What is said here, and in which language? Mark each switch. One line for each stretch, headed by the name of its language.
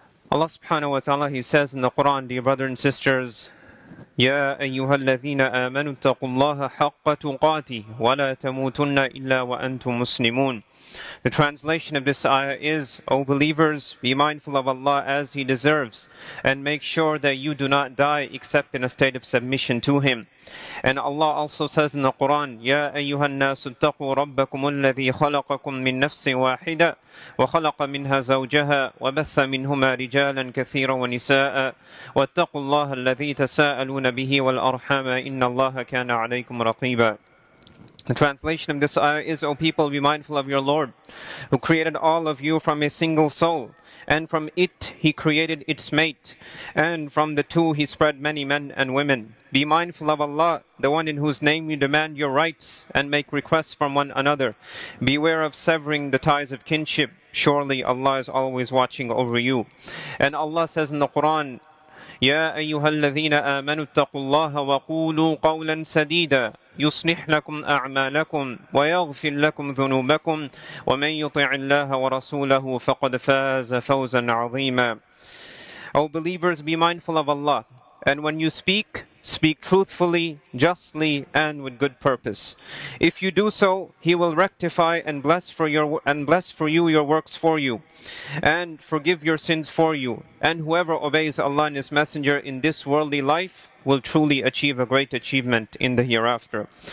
English: Allah subhanahu wa ta'ala, he says in the Quran, dear brothers and sisters,
Arabic: يا أيها الذين آمنوا اتقوا الله حق تقاته ولا تموتن إلا وأنتم مسلمون.
English: The translation of this ayah is, O believers, be mindful of Allah as He deserves, and make sure that you do not die except in a state of submission to Him. And Allah also says in the Quran,
Arabic: يَا أَيُّهَا النَّاسُ اتَّقُوا رَبَّكُمُ الَّذِي خَلَقَكُم مِّن نَفْسٍ وَاحِدًا وَخَلَقَ مِنْهَا زَوْجَهَا وَبَثَّ مِنْهُمَا رِجَالًا كَثِيرًا وَنِسَاءً وَاتَّقُوا اللَّهَ الَّذِي تَسَاءَلُونَ بِهِ وَالْأَرْحَامَ إِنَّ اللَّهَ كَانَ عَلَيْكُمْ رَقِيبًا.
English: The translation of this ayah is, O people, be mindful of your Lord, who created all of you from a single soul, and from it he created its mate, and from the two he spread many men and women. Be mindful of Allah, the one in whose name you demand your rights and make requests from one another. Beware of severing the ties of kinship. Surely Allah is always watching over you. And Allah says in the Quran,
Arabic: يَا أَيُّهَا الَّذِينَ آمَنُوا اتَّقُوا اللَّهَ وَقُولُوا قَوْلًا سَدِيدًا يُصْلِحْ لَكُمْ أَعْمَالَكُمْ وَيَغْفِرْ لَكُمْ ذُنُوبَكُمْ وَمَنْ يُطِعِ اللَّهَ وَرَسُولَهُ فَقَدْ فَازَ فَوْزًا عَظِيمًا.
English: O believers, be mindful of Allah. And when you speak, speak truthfully, justly, and with good purpose. If you do so, He will rectify and bless for you your works for you, and forgive your sins for you. And whoever obeys Allah and His Messenger in this worldly life will truly achieve a great achievement in the hereafter.